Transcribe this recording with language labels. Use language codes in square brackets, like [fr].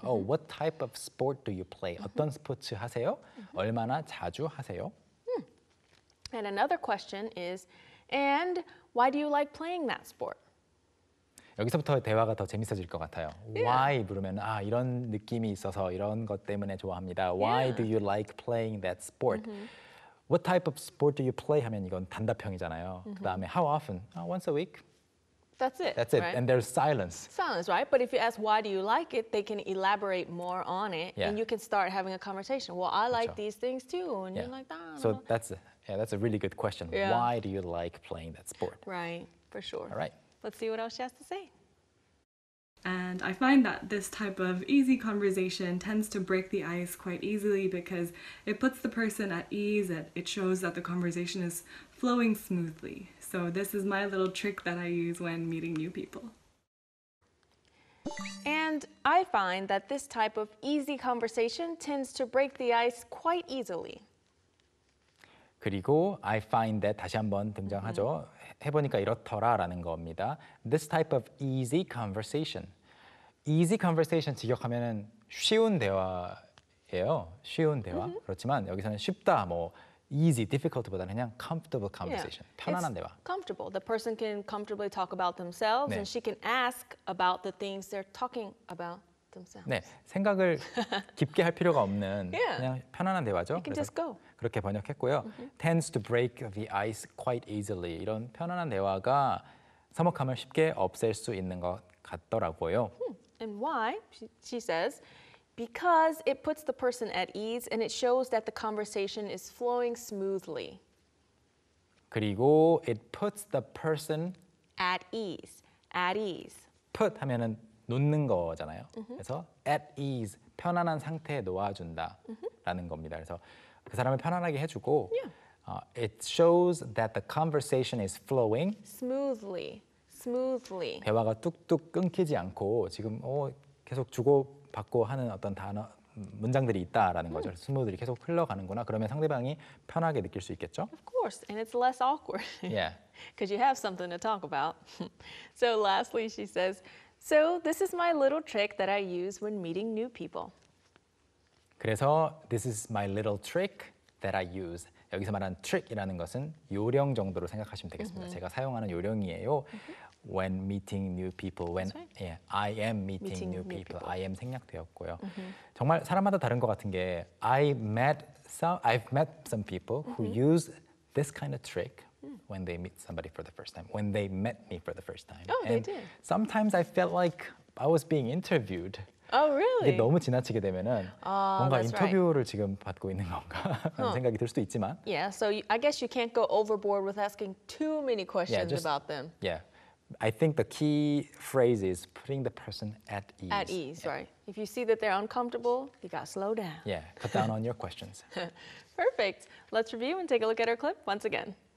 [en] Oh, what type of sport do you play? [ko] 어떤 스포츠 하세요? 얼마나 자주 하세요? [en] And another question is, and why do you like playing that sport? [ko] 여기서부터 대화가 더 재밌어질 것 같아요. Why 물으면 아 이런 느낌이 있어서 이런 것 때문에 좋아합니다. [en] Why do you like playing that sport? What type of sport do you play? [ko] 하면 이건 단답형이잖아요. 그 다음에 [en] how often? Once a week. That's it, right? And there's silence. Silence, right? But if you ask why do you like it, they can elaborate more on it, and you can start having a conversation. Well, I like these things too, and you're like, So that's a really good question. Yeah. Why do you like playing that sport? Right, for sure. All right. Let's see what else she has to say. And I find that this type of easy conversation tends to break the ice quite easily because it puts the person at ease and it shows that the conversation is flowing smoothly. So this is my little trick that I use when meeting new people. And I find that this type of easy conversation tends to break the ice quite easily. [ko] 그리고 [en] I find that [ko] 다시 한번 등장하죠. 해보니까 이렇더라라는 겁니다. [en] This type of easy conversation. Easy conversation [ko] 직역하면은 쉬운 대화예요. 쉬운 대화. 그렇지만 여기서는 쉽다, 뭐 easy, difficult보다는 그냥 [en] comfortable conversation. [ko] 편안한 [en] It's [ko] 대화. [en] Comfortable. The person can comfortably talk about themselves, and she can ask about the things they're talking about. Themselves. [ko] 네, 생각을 깊게 할 필요가 없는 그냥 편안한 대화죠. [en] You can just go. [ko] 그렇게 번역했고요. [en] Tends to break the ice quite easily. [ko] 이런 편안한 대화가 서먹함을 쉽게 없앨 수 있는 것 같더라고요. [en] And why? She says, because it puts the person at ease and it shows that the conversation is flowing smoothly. [ko] 그리고 [en] it puts the person at ease. At ease. [ko] Put 하면은 놓는 거잖아요. 그래서 at ease, 편안한 상태에 놓아준다라는 겁니다. 그래서 그 사람을 편안하게 해주고 [en] it shows that the conversation is flowing smoothly, smoothly. [ko] 대화가 뚝뚝 끊기지 않고 지금 계속 주고받고 하는 어떤 단어, 문장들이 있다라는 거죠. smoothly 계속 흘러가는구나. 그러면 상대방이 편하게 느낄 수 있겠죠? [en] Of course, and it's less awkward. Yeah. Because you have something to talk about. So lastly, she says, So this is my little trick that I use when meeting new people. [ko] 그래서 [en] this is my little trick that I use. [ko] 여기서 말한 trick이라는 것은 요령 정도로 생각하시면 되겠습니다. 제가 사용하는 요령이에요. [en] When meeting new people, when right. yeah, I am meeting new people. people, I am [ko] 생략되었고요. [en] 정말 사람마다 다른 것 같은 게 I've met some people who use this kind of trick. When they meet somebody for the first time, when they met me for the first time. Oh, and they did. Sometimes I felt like I was being interviewed. Oh, really? [ko] 이게 너무 지나치게 되면은 뭔가 인터뷰를 [en] right. [ko] 지금 받고 있는 건가 하는 생각이 들 수도 있지만. [en] Yeah, so I guess you can't go overboard with asking too many questions about them. Yeah, I think the key phrase is putting the person at ease. At ease, right. If you see that they're uncomfortable, you gotta slow down. Yeah, cut down on your questions. Perfect. Let's review and take a look at our clip once again.